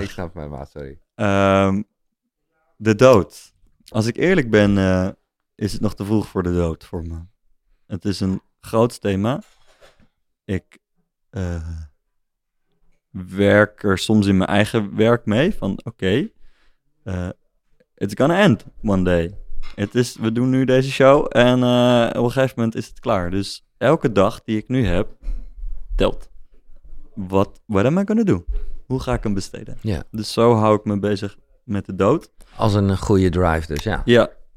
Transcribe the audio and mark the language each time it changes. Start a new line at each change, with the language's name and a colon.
Dutch: Ik snap mijn maat, sorry. De dood. Als ik eerlijk ben, is het nog te vroeg voor de dood voor me. Het is een groot thema. Ik werk er soms in mijn eigen werk mee. Van oké,
English: it's gonna end one day.
Dutch: We doen nu deze show en op een gegeven moment is het klaar. Dus elke dag die ik nu heb, telt.
English: What am I gonna do?
Dutch: Hoe ga ik hem besteden? Yeah. Dus zo hou ik me bezig met de dood. Als een goede drive dus, ja. Ja.